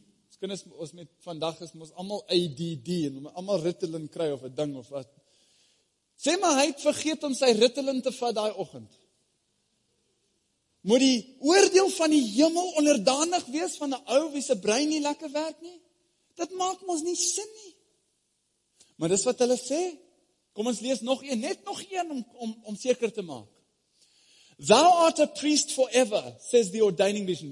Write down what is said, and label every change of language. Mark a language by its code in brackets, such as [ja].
[af] Ons kinders, ons met vandag is ons almal ADD en ons almal Ritalin kry of 'n ding of wat. Sê maar hy het vergeet om sy Ritalin te vat daai oggend. Moet die oordeel van die hemel onderdanig wees van 'n ou wie se brein nie lekker werk nie? Dit maak ons nie sin nie. Maar dis wat hulle sê. Kom ons lees nog een, net nog een om seker te maak. [en] Thou art a priest forever, says the ordaining vision.